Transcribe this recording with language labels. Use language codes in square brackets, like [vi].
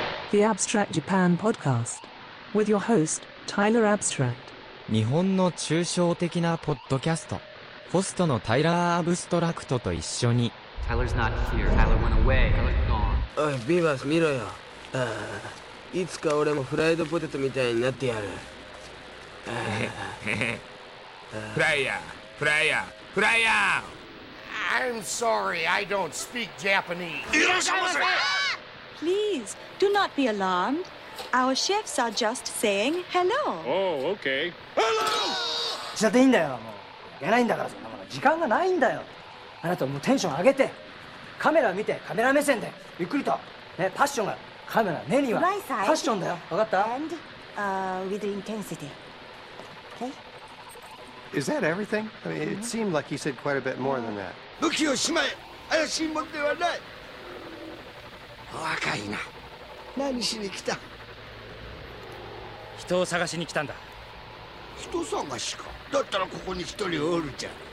[en] The Abstract Japan Podcast with your host Tyler Abstract. [ja] 日本の抽象的なポッドキャスト、ホストのタイラー・アブストラクトと一緒に。 [en] Tyler's not here. Tyler went away. Tyler's gone. [ja] おい、ビバス見ろよ。いつか俺もフライドポテトみたいになってやる。フライヤー、フライヤー、フライヤ [en] ー。 I'm sorry. I don't speak Japanese. [ja] いらっしゃいませ。 [en] Please, do not be alarmed. Our chefs are just saying hello. Oh, okay. Hello! [ja] しちゃっていいんだよ。もう、いけないんだから、そんなもの。時間がないんだよ。あなたもうテンション上げて、カメラ見て、カメラ目線で、ゆっくりと。ね、パッションが、カメラ、目には。 [en] Right side. [ja] パッションだよ。わかった [en] And, with intensity. Okay? Is that everything? I mean, it seemed like he said quite a bit more than that. [ja] 武器をしまえ怪しいもんではない若いな何しに来た人を探しに来たんだ人探しかだったらここに一人おるじゃん